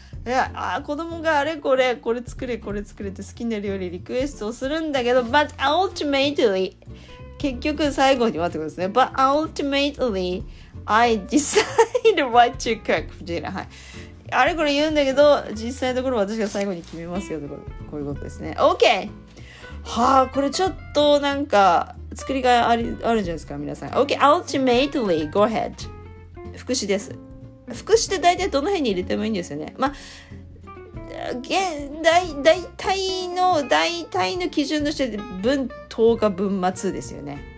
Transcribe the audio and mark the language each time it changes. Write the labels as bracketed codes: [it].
[ja] Yeah, 子供があれこれ、これ作れ、これ作れって好きな料理リクエストをするんだけど、 [en] But ultimately, [ja] 結局最後に待ってくださいね。 [en] But ultimately, I decided what to cook for dinner. [ja] はい。あれこれ言うんだけど、実際のところ私が最後に決めますよってこと、こういうことですね。 [en] Okay! [ja] はあ、これちょっとなんか作りがいあるじゃないですか、皆さん。 [en] OK, ultimately, go ahead. [ja] 副詞です。副詞って大体どの辺に入れてもいいんですよね。まあ、大体の基準として文頭か文末ですよね。